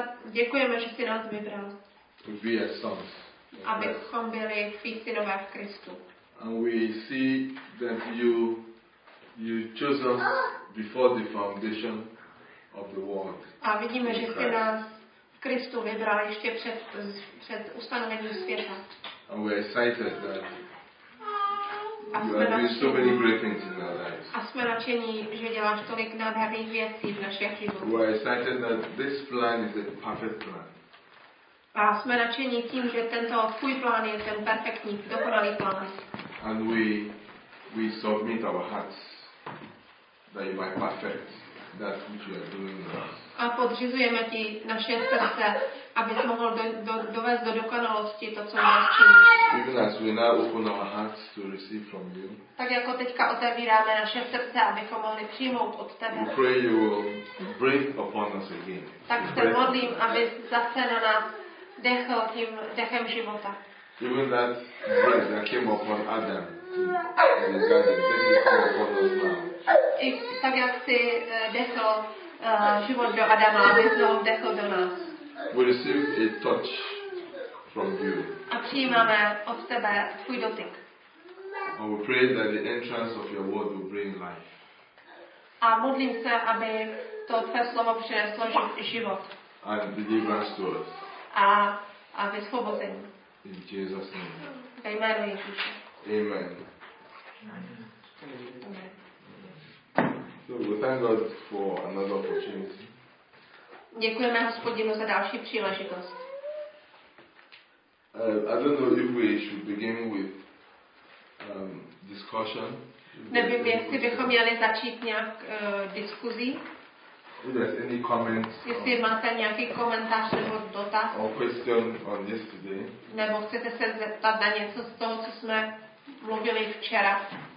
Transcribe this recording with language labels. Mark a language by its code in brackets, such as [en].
[cs] Děkujeme, že jsi nás vybral. [en] To be a son. [cs] Abychom byli tví synové v Kristu. [en] And we see that you chose us before the foundation of the world. [cs] A vidíme, že jsi nás v Kristu vybral ještě před ustanovením světa. [en] And we're excited that you have done so many great things in our lives. [cs] A jsme nadšení, že děláš tolik nádherných věcí v našich životech. [en] We are excited that this plan is a perfect plan. [cs] A jsme nadšení tím, že tento tvůj plán je ten perfektní, dokonalý plán. [en] And we submit our hearts that you might perfect that which you are doing in us. [cs] A podřizujeme ti naše srdce, abys mohl dovést do dokonalosti to, co nás činí. [en] Even as we now open our hearts to receive from you. [cs] Tak jako teďka otevíráme naše srdce, abychom mohli přijmout od tebe. [en] We pray you will breathe upon us again. [cs] Tak se modlím, abys zase na nás dechl tím dechem života. [en] Even that breath that came upon Adam in the garden, then it came upon us now. [cs] I tak jak si dechl život do Adama, aby znovu dechl do nás. [en] We receive a touch from you. [cs] A přijímáme od tebe tvůj dotyk. [en] And we pray that the entrance of your word will bring life. [cs] A modlím se, aby to tvé slovo přineslo život. [en] And deliver us to us. [cs] A vysvobození. [en] In Jesus' name. [cs] Ve jménu Ježíše. [en] Amen. So we thank God for another opportunity. [cs] Děkujeme Hospodinu za další příležitost. [en] I don't know if we should begin with discussion. [cs] Nevím, jestli bychom měli začít nějak diskuzí. [en] If there's any comments. [cs] Jestli máte nějaký komentář nebo dotaz. [en] Or question on yesterday. [cs] Nebo chcete se zeptat na něco z toho, co jsme mluvili včera.